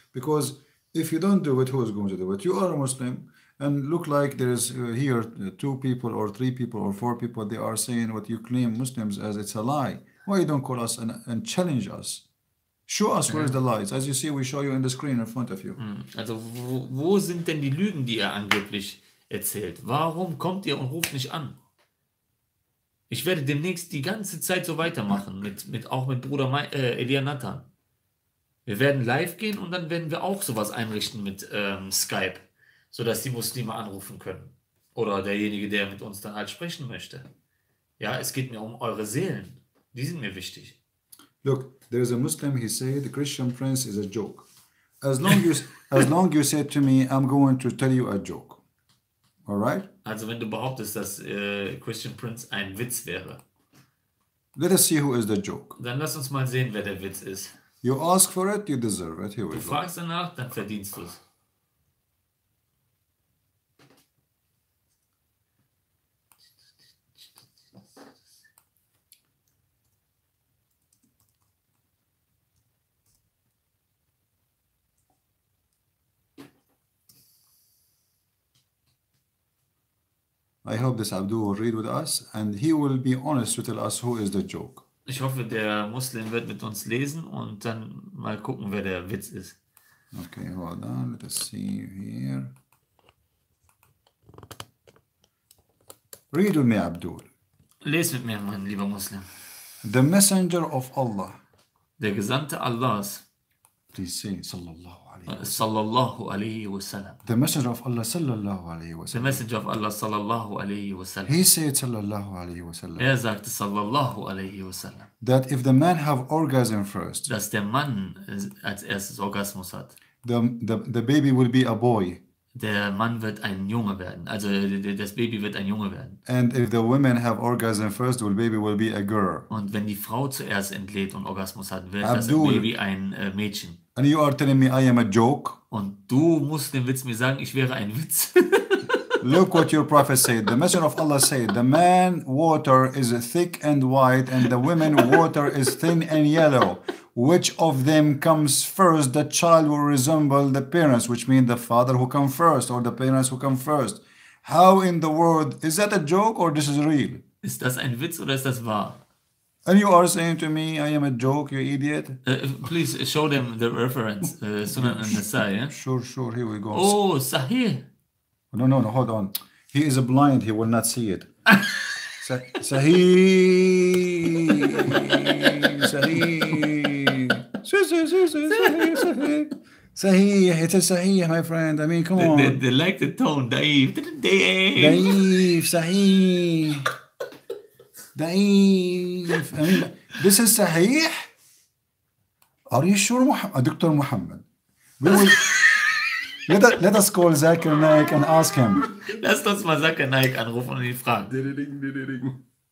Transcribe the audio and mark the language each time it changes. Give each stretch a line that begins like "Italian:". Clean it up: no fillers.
English: Because if you don't do it, who is going to do it? You are a Muslim and look like there is here two people or three people or four people. They are saying what you claim Muslims as it's a lie. Why you don't call us and challenge us? Show us where the lies. As you see, we show you in the screen in front of you.
German: Also, wo sind denn die Lügen, die ihr angeblich erzählt? Warum kommt ihr und ruft nicht an? Ich werde demnächst die ganze Zeit so weitermachen, mit Bruder Elia Nathan. Wir werden live gehen und dann werden wir auch sowas einrichten mit Skype, sodass die Muslime anrufen können. Oder derjenige, der mit uns dann halt sprechen möchte. Ja, es geht mir um eure Seelen. Die sind mir wichtig.
English: Look, there's a Muslim, he said, the Christian prince is a joke. As long you say to me, I'm going to tell you a joke. All right?
German: Also wenn du behauptest, dass Christian Prince ein Witz wäre.
English: Let us see who is the joke.
German: Dann lass uns mal sehen, wer der Witz ist.
English: You ask for it, you deserve it. Here we
German: du
English: go.
German: Fragst danach, dann verdienst du es.
English: I hope this Abdul will read with us and he will be honest to tell us who is the joke.
German: Ich hoffe, der Muslim wird mit uns lesen und dann mal gucken, wer der Witz ist.
English: Okay, hold on, let us see here. Read with me, Abdul.
German: Lies mit mir, mein lieber Muslim.
English: The Messenger of Allah.
German: Der Gesandte Allahs.
English: Please say,
Arabic: sallallahu alayhi wa sallam. Sallallahu alayhi wa sallam.
English: The Messenger of Allah,
Arabic: sallallahu alayhi wa sallam.
English: The Messenger of Allah,
Arabic: sallallahu alayhi wa sallam.
English: He said,
Arabic: sallallahu alayhi wa sallam.
German: Er sagte,
Arabic: sallallahu alayhi wa sallam.
English: That if the man have orgasm first.
German: Dass der Mann als erstes Orgasmus hat.
English: The baby will be a boy.
German: Der Mann wird ein Junge werden. Also das Baby wird ein Junge werden.
English: And if the women have orgasm first, the baby will be a girl.
German: Und wenn die Frau zuerst entlädt und Orgasmus hat, wird Abdul, das Baby ein Mädchen.
English: And you are telling me I am a joke.
German: Und du musst dem Witz mir sagen, ich wäre ein Witz.
English: Look what your prophet said. The Messenger of Allah said, the man water is thick and white and the women water is thin and yellow. Which of them comes first? The child will resemble the parents, which means the father who come first or the parents who come first. How in the world, is that a joke or this is real?
German: Ist das ein Witz oder ist das wahr?
English: And you are saying to me, I am a joke, you idiot. Please show them the reference, Sunan al-Nasa'i. Yeah? Sure, here we go. Oh, Sahih. No, hold on. He is a blind, he will not see it. Sahih, it is Sahih, my friend. I mean, come on. They like the tone, Daif. Daif, Sahih. Daif. I mean, this is Sahih? Are you sure, Dr. Muhammad? Let us call Zakir Naik and ask him.
German: Lass uns mal Zakir Naik anrufen und ihn fragen.